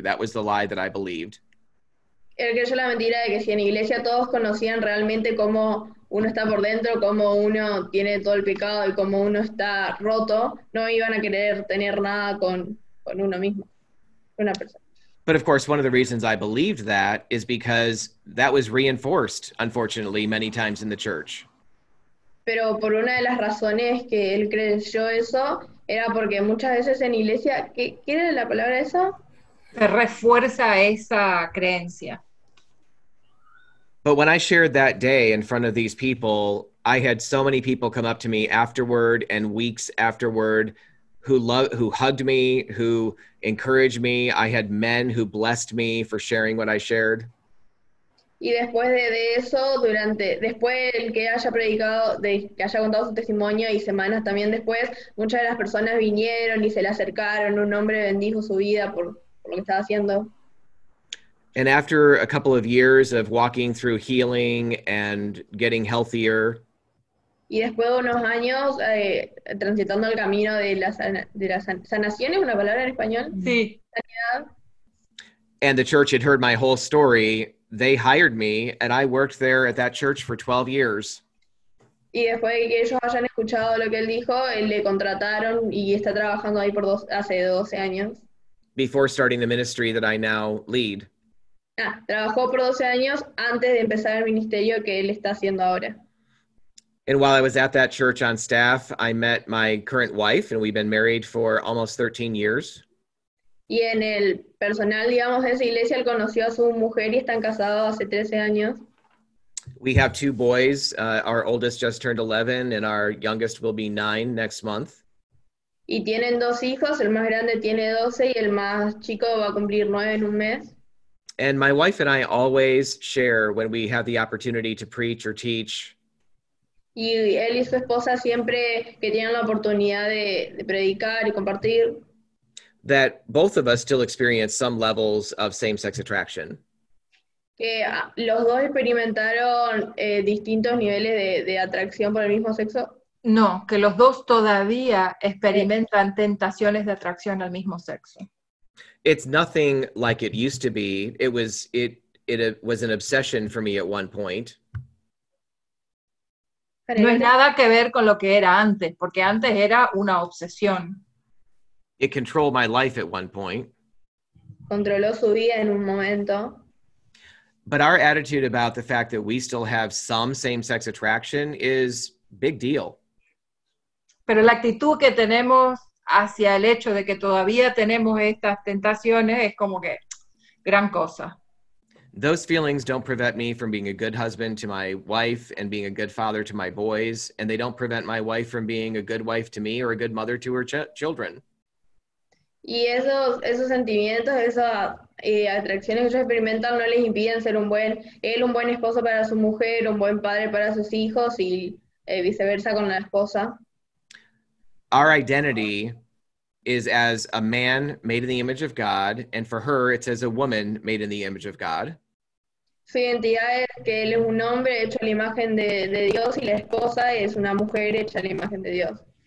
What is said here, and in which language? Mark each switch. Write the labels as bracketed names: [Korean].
[English] That was the lie that I believed. [Spanish] Él creyó la mentira de que si en iglesia todos conocían realmente cómo uno está por dentro, cómo uno tiene todo el pecado y cómo uno está roto, no iban a querer tener nada con uno mismo, una persona. [English] But of course, one of the reasons I believed that is because that was reinforced, unfortunately, many times in the church. [Spanish] Pero por una de las razones que él creyó eso era porque muchas veces en iglesia, ¿qué era la palabra eso? Se refuerza esa creencia. [English] But when I shared that day in front of these people, I had so many people come up to me afterward and weeks afterward who hugged me, who encouraged me. I had men who blessed me for sharing what I shared. [Spanish] Y después de eso, después el que haya predicado, que haya contado su testimonio y semanas también después, muchas de las personas vinieron y se le acercaron. Un hombre bendijo su vida por lo que estaba haciendo. [English] And after a couple of years of walking through healing and getting healthier. [Spanish] Y después de unos años transitando el camino de la sanación, ¿es una palabra en español? Sí. [English] And the church had heard my whole story. They hired me, and I worked there at that church for 12 years. [Spanish] Y después de que ellos hayan escuchado lo que él dijo, él le contrataron y está trabajando ahí hace 12 años. [English] Before starting the ministry that I now lead. [Spanish] Trabajó por 12 años antes de empezar el ministerio que él está haciendo ahora. [English] And while I was at that church on staff, I met my current wife, and we've been married for almost 13 years. [Spanish] Y en el personal, digamos, de esa iglesia, él conoció a su mujer y están casados hace 13 años. [English] We have two boys. Our oldest just turned 11, and our youngest will be 9 next month. [Spanish] Y tienen dos hijos. El más grande tiene 12 y el más chico va a cumplir 9 en un mes. [English] And my wife and I always share when we have the opportunity to preach or teach. [Spanish] Y él y su esposa siempre que tienen la oportunidad de predicar y compartir. [English] That both of us still experience some levels of same-sex attraction. [Spanish] Que los dos experimentaron distintos niveles de atracción por el mismo sexo. No, que los dos todavía experimentan tentaciones de atracción al mismo sexo. [English] It's nothing like it used to be. It was an obsession for me at one point. [Spanish] No es nada que ver con lo que era antes, porque antes era una obsesión. [English] It controlled my life at one point. [Spanish] Controló su vida en un momento. [English] But our attitude about the fact that we still have some same-sex attraction is big deal. [Spanish] Pero la actitud que tenemos hacia el hecho de que todavía tenemos estas tentaciones es como que gran cosa. [English] Those feelings don't prevent me from being a good husband to my wife and being a good father to my boys, and they don't prevent my wife from being a good wife to me or a good mother to her children. [Spanish] Y esos sentimientos, esas atracciones que ellos experimentan no les impiden ser un buen esposo para su mujer, un buen padre para sus hijos y viceversa con la esposa. [English] Our identity is as a man made in the image of God, and for her, it's as a woman made in the image of God. [Spanish] Su identidad es que él es un hombre hecho a la imagen de Dios, y la esposa es una mujer hecha a la imagen de Dios.